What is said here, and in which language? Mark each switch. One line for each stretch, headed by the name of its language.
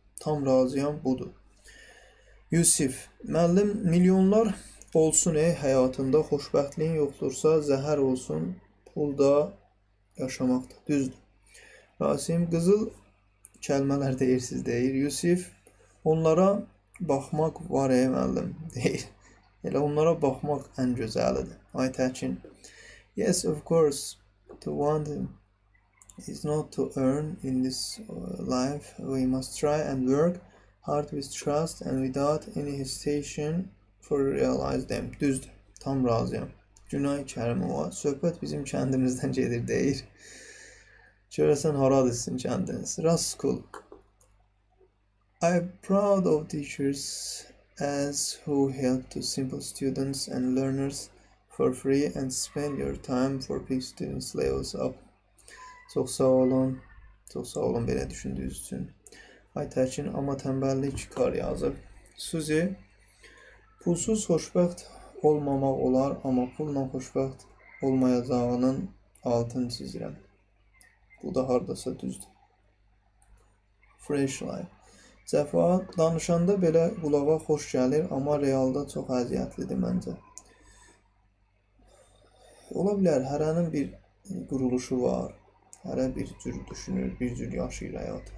Azerbaijani: Tam razıyam budur. Yusif, müəllim, milyonlar olsun həyatında, xoşbəxtliyin yoxdursa, zəhər olsun, pul da yaşamaqdır. Düzdür. Rasim, qızıl kəlmələr deyirsiz, deyir. Yusif, onlara baxmaq var müəllim, deyir. Elə onlara baxmaq ən gözəlidir. Ay təkin.
English: Yes, of course, to want is not to earn in this life. We must try and work hard with trust and without any hesitation for realize them.
Azerbaijani: Düzdür, tam razıyam. Günay Kərimova, söhbət bizim kəndimizdən gedir, deyir. Görəsən, haradırsın kəndiniz.
English: Rascal, I'm proud of teachers as who help to simple students and learners for free and spend your time for big students levels up.
Azerbaijani: Çox sağ olun. Çox sağ olun belə düşündüyünüz üçün. Aytəkin, amma tənbəllik kar yazıb. Suzi, pulsuz xoşbəxt olmamaq olar, amma bununla xoşbəxt olmayacağının altını çizirəm. Bu da hardasa düzdür.
English: Fresh life.
Azerbaijani: Cəfa danışanda belə qulağa xoş gəlir, amma realda çox əziyyətlidir məncə. Ola bilər, hərənin bir quruluşu var. Hərə bir cür düşünür, bir cür yaşayır həyat.